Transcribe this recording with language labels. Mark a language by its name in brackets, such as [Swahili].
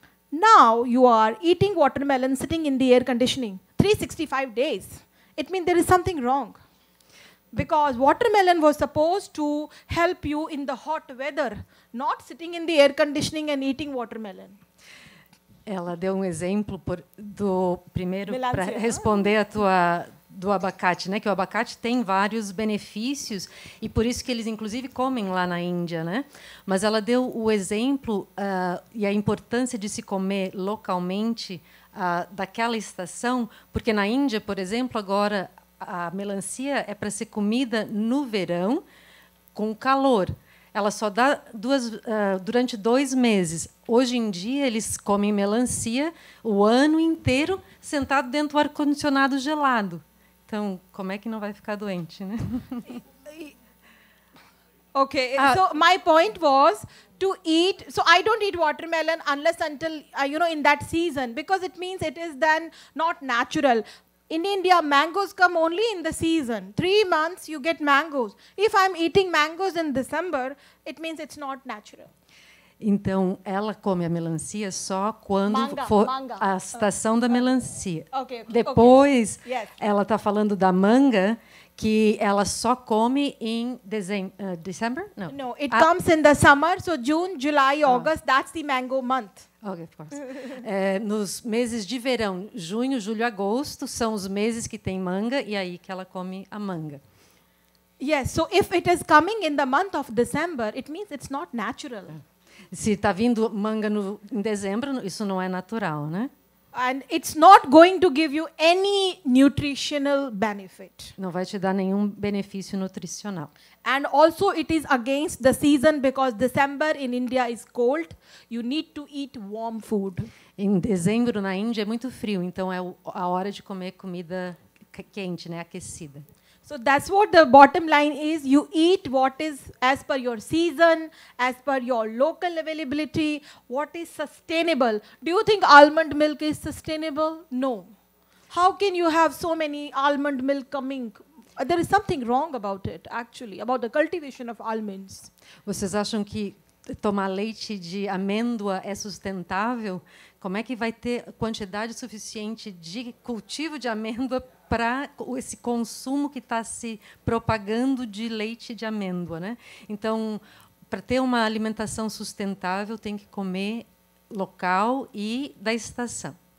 [English] Now you are eating watermelons sitting in the air conditioning 365 days. It means there is something wrong. Because watermelon was supposed to help you in the hot weather, not sitting in the air conditioning and eating watermelon. [Portuguese] Ela deu um exemplo do primeiro para responder a tua do abacate, né? Que o abacate tem vários benefícios e por isso que eles inclusive comem lá na Índia, né? Mas ela deu o exemplo e a importância de se comer localmente daquela estação, porque na Índia, por exemplo, agora a melancia é para ser comida no verão com calor. Ela só dá durante 2 meses. Hoje em dia, eles comem melancia o ano inteiro sentado dentro do ar-condicionado gelado. Então, como é que não vai ficar doente, né? [English] Ok. So, my point was to eat... So, I don't eat watermelon unless until, you know, in that season. Because it means it is then not natural. In India, mangoes come only in the season. 3 months, you get mangoes. If I'm eating mangoes in December, it means it's not natural. [Portuguese] Então, ela come a melancia só quando for a estação da melancia. [English] Okay. [Portuguese] Depois, [English] okay. Yes. [Portuguese] Ela está falando da manga, que ela só come em December? [English] No, no it comes in the summer, so June, July, August, that's the mango month. Okay, of course. [Portuguese] Nos meses de verão, junho, julho, agosto, são os meses que tem manga, e aí que ela come a manga. [English] Yes, so if it is coming in the month of December, it means it's not natural. [Portuguese] Se está vindo manga em dezembro, isso não é natural, né? [English] And it's not going to give you any nutritional benefit. [Portuguese] Não vai te dar nenhum benefício nutricional. [English] And also it is against the season because December in India is cold. You need to eat warm food. [Portuguese] Em dezembro na Índia é muito frio, então é a hora de comer comida quente, né, aquecida. [English] So that's what the bottom line is. You eat what is as per your season, as per your local availability, what is sustainable. Do you think almond milk is sustainable? No. How can you have so many almond milk coming? There is something wrong about it, actually, about the cultivation of almonds. [Portuguese] Vocês acham que tomar leite de amêndoa é sustentável? Como é que vai ter quantidade suficiente de cultivo de amêndoa para esse consumo que está se propagando de leite de amêndoa, né? Então, para ter uma alimentação sustentável, tem que comer local e da estação.